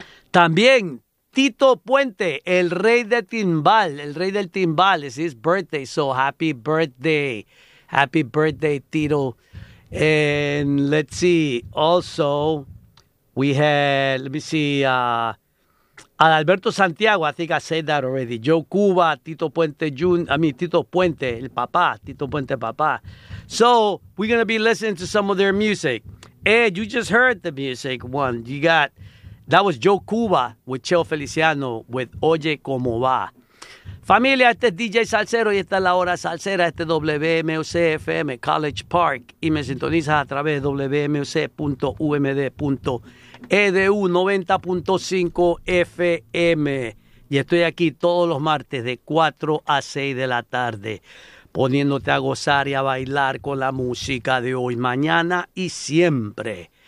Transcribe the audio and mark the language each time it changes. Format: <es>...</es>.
<es>También Tito Puente, el rey de timbal, el rey del timbal.</es> <en>It's his birthday, so happy birthday. Happy birthday, Tito. And let's see, also, we had, let me see, Adalberto Santiago, I think I said that already. Joe Cuba, Tito Puente Jun, I mean, Tito Puente, el papá, Tito Puente papá. So, we're going to be listening to some of their music. Ed, you just heard the music one. You got, that was Joe Cuba with Cheo Feliciano with Oye Como Va.</en> <es>Familia, este es DJ Salsero y esta es la hora salsera. Este es WMUC-FM, College Park. Y me sintonizas a través de WMUC.UMD.EDU 90.5 FM. Y estoy aquí todos los martes de 4 a 6 de la tarde, poniéndote a gozar y a bailar con la música de hoy, mañana y siempre.</es>